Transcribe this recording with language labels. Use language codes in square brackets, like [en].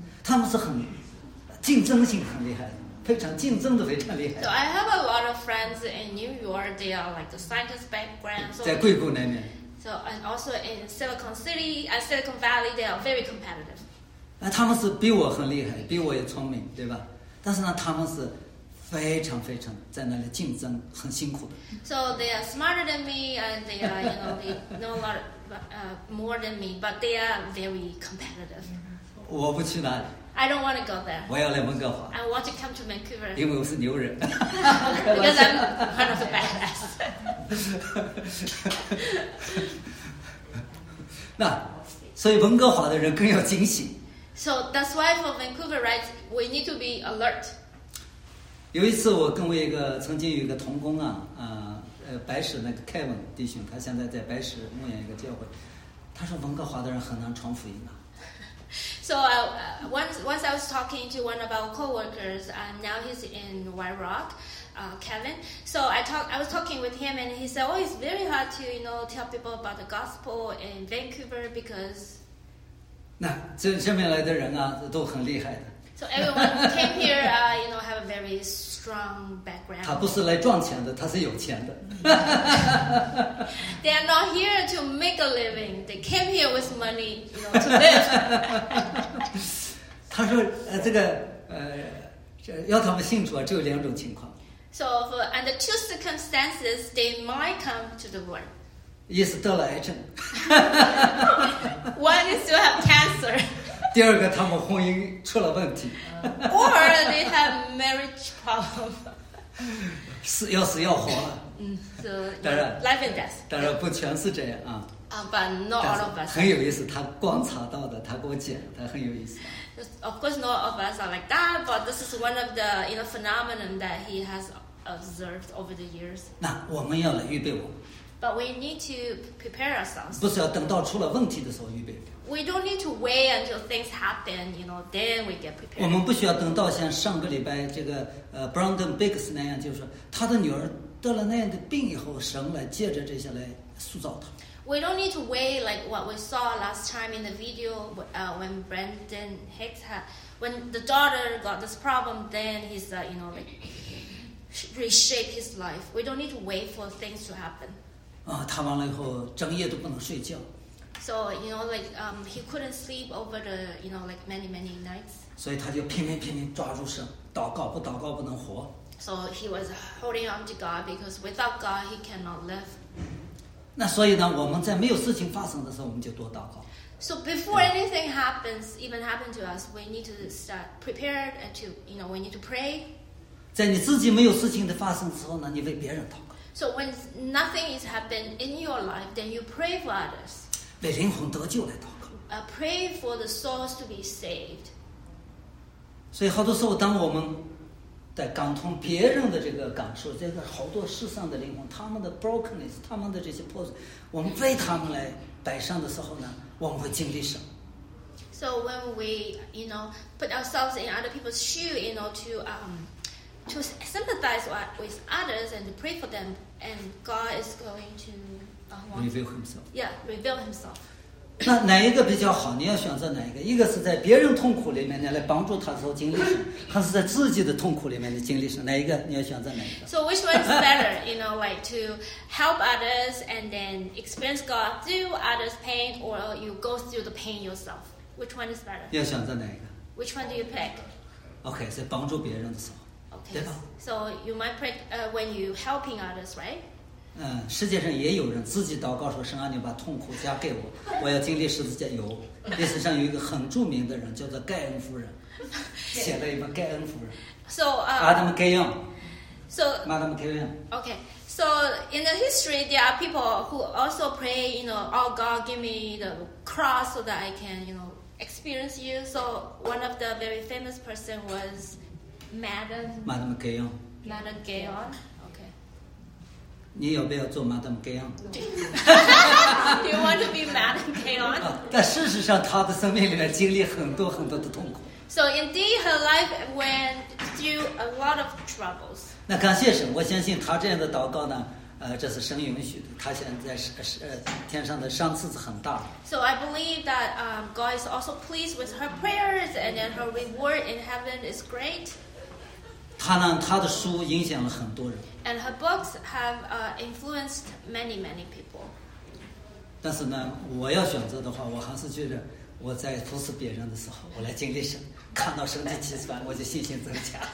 [zh] 他们是很竞争性很厉害，非常竞争的非常厉害。 [en] So I have a lot of friends in New York. They are like the scientist background. So [zh] 在硅谷那边。 [en] So and also in Silicon City and Silicon Valley, they are very competitive. [zh] 那他们是比我很厉害，比我也聪明，对吧？但是呢，他们是非常非常在那里竞争，很辛苦的。 [en] So they are smarter than me, and they are you know they know a lot more than me, but they are very competitive. [zh] 我不去哪里。 [en] I don't want to go there. [zh] 我要来温哥华。 [en] I want to come to Vancouver. [zh] 因为我是牛人。 [en] Because I'm one of the badass. [zh] 那，所以温哥华的人更要警醒。 [en] So that's why for Vancouver, right? We need to be alert. [zh] 有一次，我跟我一个曾经有一个同工啊，白石那个凯文弟兄，他现在在白石牧养一个教会，他说温哥华的人很难传福音啊。 [en] So once I was talking to one of our coworkers, and now he's in White Rock, Kevin. So I was talking with him, and he said, "Oh, it's very hard to, you know, tell people about the gospel in Vancouver because." [zh] 那这下面来的人啊，都很厉害的。 [en] So everyone came here, you know, have a very strong background. [zh] 他不是来赚钱的，他是有钱的。 [en] They are not here to make a living. They came here with money, you know, to live. [zh] 他说，这个，要他们信主啊，只有两种情况。 [en] So for under two circumstances, they might come to the Lord. [zh] 一是得了癌症。 [en] One is to have cancer. [zh] 第二个，他们婚姻出了问题。 [en] Or they have marriage problem. [zh] 死要死要活了。 So, 当然 [en] life and death. [zh] 当然不全是这样啊。 [en] But not all of us. [zh] 很有意思，他观察到的，他给我讲，他很有意思。 [en] Of course, not all of us are like that, but this is one of the, you know, phenomenon that he has observed over the years. [zh] 那我们要来预备我。 [en] But we need to prepare ourselves. [zh] 不是要等到出了问题的时候预备。 [en] We don't need to wait until things happen, you know, then we get prepared. [zh] 我们不需要等到像上个礼拜这个Brandon Biggs 那样，就是他的女儿。得了那样的病以后，神来借着这些来塑造他。 [en] We don't need to wait like what we saw last time in the video, when Brandon Hicks had, when the daughter got this problem, then he's you know, like reshape his life. We don't need to wait for things to happen. [zh] 啊，他完了以后，整夜都不能睡觉。 [en] So you know, like he couldn't sleep over the you know like many many nights. [zh] 所以他就拼命抓住神，祷告，不祷告不能活。 [en] So he was holding on to God because without God he cannot live. [zh] 那所以呢，我们在没有事情发生的时候，我们就多祷告。 [en] So before anything happens, even happen to us, we need to start prepared and to, you know, we need to pray. [zh] 在你自己没有事情的发生的时候呢，你为别人祷告。 [en] So when nothing is happened in your life, then you pray for others. [zh] 为灵魂得救来祷告。 [en] Pray for the souls to be saved. [zh] 所以好多时候，当我们在感同别人的这个感受，这个好多世上的灵魂，他们的 brokenness， 他们的这些破碎，我们为他们来摆上的时候呢，我们会经历什么？ [en] So when we, you know, put ourselves in other people's shoe, you know, to sympathize with others and pray for them, and God is going to reveal himself. Yeah, reveal himself. [zh] 那哪一个比较好？你要选择哪一个？一个是在别人痛苦里面，你来帮助他的时候经历什么；还是在自己的痛苦里面的经历什么？哪一个？你要选择哪一个 [en] ？So which one is better? You know, like to help others and then experience God through others' pain, or you go through the pain yourself? Which one is better? [zh] 要选择哪一个 [en] ？Which one do you pick? [zh] Okay, 在帮助别人的时候， okay, 对吧 [en] ？So you might pick when you helping others, right? [zh] 嗯，世界上也有人自己祷告说：“神啊，你把痛苦加给我，我要经历十字架。” 有，历史上有一个很著名的人叫做盖恩夫人，写了一本《盖恩夫人》。 So [en] Madame Gayon. So Madame Gayon. Okay, so in the history, there are people who also pray, you know, "Oh God, give me the cross so that I can, you know, experience you." So one of the very famous person was Madame Gayon. Madame Gayon. [zh] 你要不要做 Madame Gayon? [en] Do you want to be Madame Gayon? [zh] 但事实上她的生命里面经历很多很多的痛苦。 [en] So indeed her life went through a lot of troubles. [zh] 那感谢神，我相信她这样的祷告呢，这是神允许的。她现在天上的赏赐是很大的。 [en] So I believe that God is also pleased with her prayers and then her reward in heaven is great. [zh] 他的书影响了很多人。 [en] And her books have influenced many, many people. [zh] 但是呢，我要选择的话，我还是觉得我在服侍别人的时候，我来经历神，看到神的奇迹，我就信心增加。